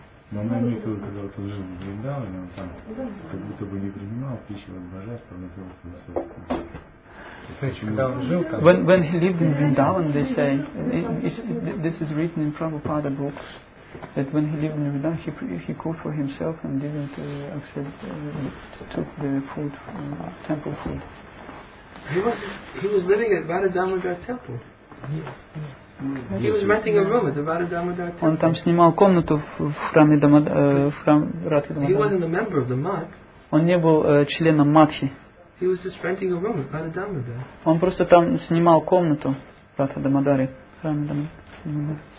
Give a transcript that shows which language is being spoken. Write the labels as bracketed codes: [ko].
[ru] Но она не то, когда вот он жил в Вриндаване, он там как будто бы не принимал пищу от божества, но делал свою собственную. [en] When he lived in Vrindavan, they say, this is written in Prabhupada books, that when he lived in Vrindavan, he cooked for himself and didn't accept, took the food, temple food. He was living at Radha Damodar temple. Yes. He was renting a room at the Radha Damodar temple. [ru] Он там снимал комнату в храме в храм Радха [en] Дамодара. He wasn't a member of the Mat. [ru] Он не был членом Матхи. [en] He was just renting a room at Radha Damodar. [ru] Он просто там снимал комнату в Радха Дамодаре, в храме Дамодара.